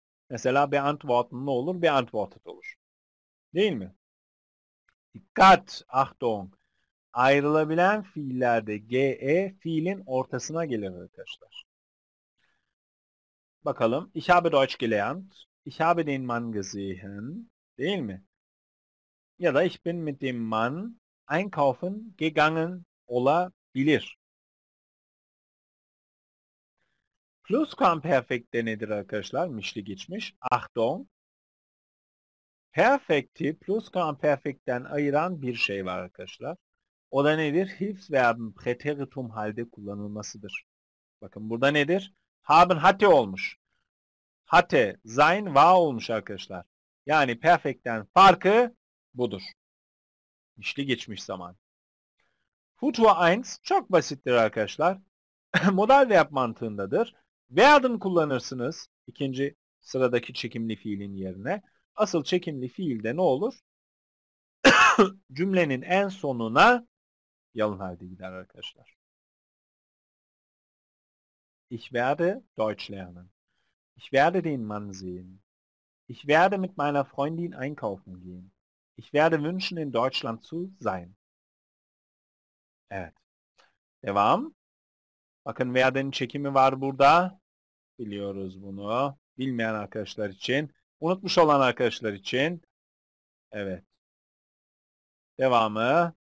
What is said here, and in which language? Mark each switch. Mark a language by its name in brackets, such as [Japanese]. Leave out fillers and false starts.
[Turkish] Mesela beantwortet ne olur? Beantwortet olur. Değil mi? Dikkat! Achtung! Ayrılabilen fiillerde ge fiilin ortasına gelir arkadaşlar. Bakalım. [German] Ich habe Deutsch gelernt. Ich habe den Mann gesehen. [Turkish] Değil mi? Ya da [German] ich bin mit dem Mann einkaufen gegangen [Turkish] olabilir. Plusquamperfekt de nedir arkadaşlar? Mişli geçmiş. Achtung! Perfekti plusquamperfektten ayıran bir şey var arkadaşlar. O da nedir? Hilfsverben präteritum halde kullanılmasıdır. Bakın burada nedir? Haben hatte olmuş. Hatte, sein, war olmuş arkadaşlar. Yani perfektten farkı budur. Mişli geçmiş zaman. Futur 1 çok basittir arkadaşlar. Modal verb mantığındadır. Werden kullanırsınız ikinci sıradaki çekimli fiilin yerine. Asıl çekimli fiilde ne olur? Cümlenin en sonuna yalın halde gider arkadaşlar. [German] Ich werde Deutsch lernen. Ich werde den Mann sehen. Ich werde mit meiner Freundin einkaufen gehen. Ich werde wünschen, in Deutschland zu sein. [Turkish] Evet. Devam. Bakın werden çekimi var burada. Biliyoruz bunu. Bilmeyen arkadaşlar için. Unutmuş olan arkadaşlar için. Evet. Devamı.